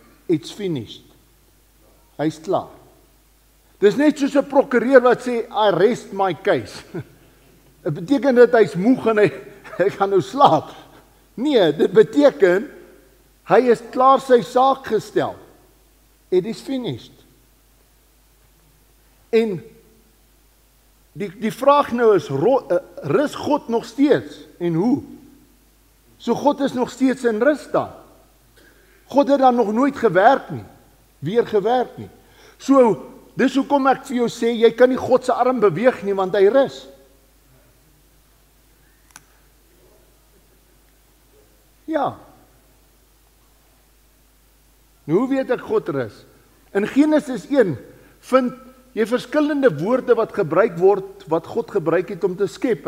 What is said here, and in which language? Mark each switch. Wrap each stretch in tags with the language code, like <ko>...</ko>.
<en>It's finished.</en> <af>Hy is klaar. Dis net soos 'n prokureur wat sê,</af> <en>I rest my case.</en> <af>Dit beteken dat hy is moeg en hy gaan nou slaap. Nee, dit beteken, hy is klaar sy saak gestel.</af> <en>It is finished.</en> <af>En die vraag nou is, rus God nog steeds? En hoe? So God is nog steeds in rus dan. God het dan nog nooit gewerk nie. Weer gewerk nie. So, dis hoekom ek vir jou sê, jy kan nie God se arm beweeg nie, want hy rus. Ja. Nou, hoe weet ek God rus? In Genesis 1 vind jy verskillende woorde wat gebruik word, wat God gebruik het om te skep.</af>